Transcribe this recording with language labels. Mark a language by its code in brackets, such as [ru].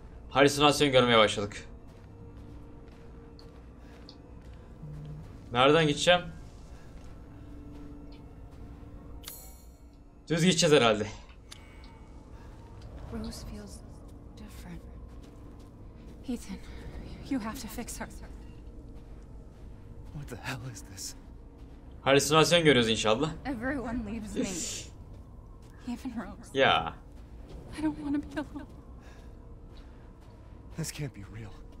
[tr] Halüsinasyon görmeye başladık. Nereden gideceğim? Düz gideceğiz herhalde. [en] Rose feels different. Ethan, you have to fix her. What the hell is this? [tr] Halüsinasyon görüyoruz inşallah. [en] Everyone leaves me. Even Rose. Ya. I don't want to be alone. This can't be real.